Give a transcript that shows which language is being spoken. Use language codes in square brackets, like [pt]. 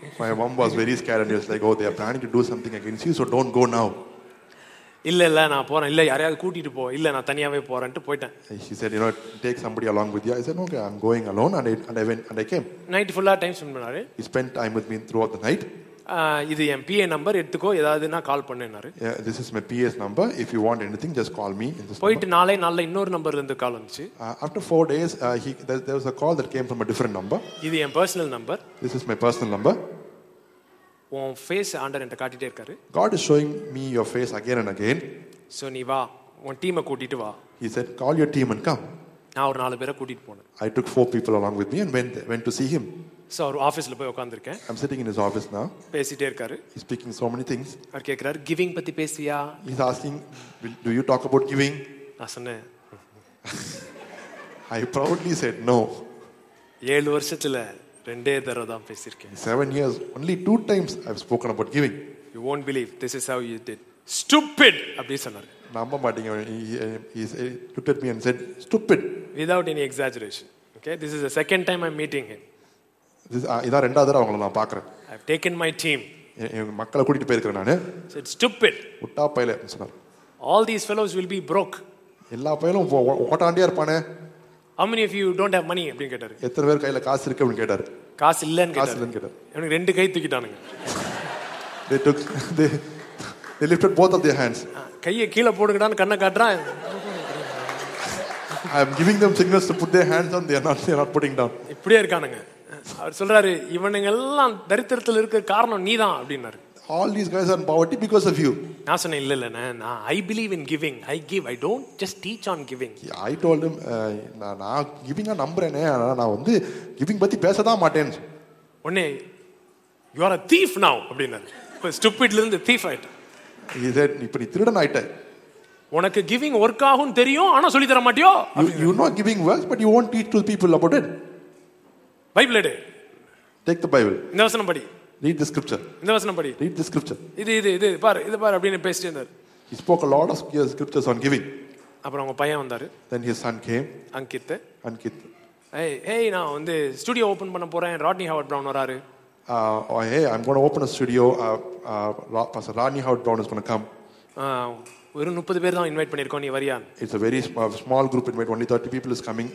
[en] My mom was very scared and he was like, oh, they are planning to do something against you, so don't go now. [ta] இல்லை இல்லை நான் போகிறேன், இல்லை யாரையாவது கூட்டிகிட்டு போ, இல்லை நான் தனியாகவே போகிறேன்ட்டு போயிட்டேன். [en] She said, you know, take somebody along with you. I said, okay, I'm going alone and I came. [ta] Night ஃபுல்லாக டைம் ஸ்பெண்ட் பண்ணாரு. [en] He spent time with me throughout the night. [ta] இது என் பிஏ நம்பர், எடுத்துக்கோ, ஏதாவதுனா கால் பண்ணினாரு. [en] Yeah, this is my PA's number. If you want anything, just call me. [ta] போயிட்டு நாளே நாளில் இன்னொரு நம்பர்லேருந்து கால் வந்துச்சு. [en] After 4 days, there was a call that came from a different number. [ta] இது என் personal number. [en] This is my personal number. [ta] உன் face ஆண்டர் என்ற காட்டிட்டே இருக்காரு. [en] God is showing me your face again and again. [ta] So நீ வா, உன் டீமை கூட்டிட்டு வா. [en] He said, call your team and come. [ta] நான் ஒரு 4 பேரை கூட்டிட்டு போனேன். [en] I took 4 people along with me and went to see him. [ta] So அவர் ஆபீஸ்ல போய் உட்கார்ந்திருக்கேன். [en] I'm sitting in his office now. [ta] பேசிட்டே இருக்காரு. [en] He's speaking so many things. [ta] அவர் கேக்குறாரு, giving பத்தி பேசியா? [en] He's asking, do you talk about giving? [ta] நான் சொன்னேன். [en] I proudly said no. [ta] 7 வருஷத்துல ரெண்டே தடவை தான் பேசியிருக்கேன். [en] 7 years, only 2 times I've spoken about giving. You won't believe, this is how you did. Stupid! [ta] அப்படி சொன்னார். நம்ப மாட்டீங்க. [en] He looked at me and said, stupid. Without any exaggeration. Okay, this is the second time I'm meeting him. [ta] இதான் ரெண்டாவது தடவை அவங்களை நான் பார்க்குறேன். [en] I've taken my team. [ta] மக்களை கூட்டிகிட்டு போயிருக்கிறேன் நான். [en] Said, stupid. [ta] உட்டா பயில சொன்னார். [en] All these fellows will be broke. [ta] எல்லா பயிலும் ஓட்டாண்டியா இருப்பானே. [en] How many of you don't have money? [ta] அப்படி கேட்டாரு. எத்தனை பேர் கையில காசு இருக்கு அப்படி கேட்டாரு. காசு இல்லன்னு கேட்டாரு. காசு இல்லன்னு கேட்டாரு. எனக்கு ரெண்டு கை தூக்கிட்டானுங்க. [en] They took they lifted both of their hands. [ta] கைய கீழ போடுங்கடான்னு கண்ண காட்றான். [en] I am giving them signals to put their hands on, they are not putting down. [ta] இப்படியே இருக்கானுங்க. அவர் சொல்றாரு, இவனுங்க எல்லாம் தரித்திரத்துல இருக்க காரணம் நீதான் அப்படினாரு. [en] All these guys are in poverty because of you. [ta] நான் இல்ல இல்ல நான் [en] I believe in giving. I give. I don't just teach on giving. I told him [ta] நான் giving ஆ நம்பறேனே, நான் வந்து giving பத்தி பேசதா மாட்டேன். உடனே [en] you are a thief now [ta] அப்படின்னா. Stupid ல இருந்து thief ஆயிட்டான். [en] He said [ta] இப்ப நீ திருடன் ஆயிட்ட. உனக்கு giving work ஆகும் தெரியும், ஆனா சொல்லி தர மாட்டியோ. [en] You know giving works, but you won't teach to the people about it. [ta] Bible எடு. [en] Take the Bible. [ta] இந்த வசனம் படி. [en] Read the scripture. [ta] இந்த வசனம் படி. [en] Read the scripture. [ta] இது பாரு, இது பாரு அப்படினு பேசிட்டே இருந்தார். [en] He spoke a lot of scriptures on giving. [ta] அப்புறம் அவங்க பையன் வந்தாரு. [en] Then his son came. [ta] Ankit. [en] Hey, [ta] hey, now வந்து ஸ்டுடியோ ஓபன் பண்ண போறேன், ராட்னி ஹாவர்ட் பிரவுன் வராரு. [en] Hey, I'm going to open a studio. Pastor Ronnie Howard Brown is going to come. [ta] ஒரு 30 பேர் தான் இன்வைட் பண்ணிருக்கோம், நீ வரியா? [en] It's a very small group invite, only 30 people is coming.